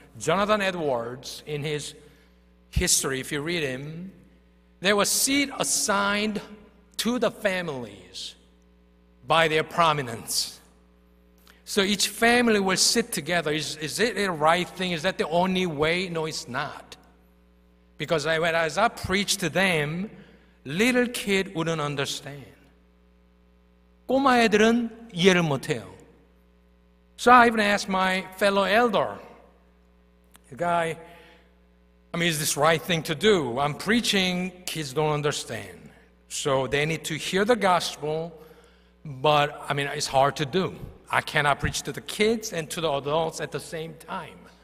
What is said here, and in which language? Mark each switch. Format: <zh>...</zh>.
<en>Jonathan Edwards, in his history, if you read him, there was seat assigned to the families by their prominence. So each family will sit together. Is it the right thing? Is that the only way? No, it's not. Because as I preach to them, little kid wouldn't understand.</en> <ko>꼬마 애들은 이해를 못해요.</ko> <en>So I even asked my fellow elder, the guy, I mean, is this the right thing to do? I'm preaching, kids don't understand. So they need to hear the gospel, but I mean, it's hard to do. I cannot preach to the kids and to the adults at the same time.</en>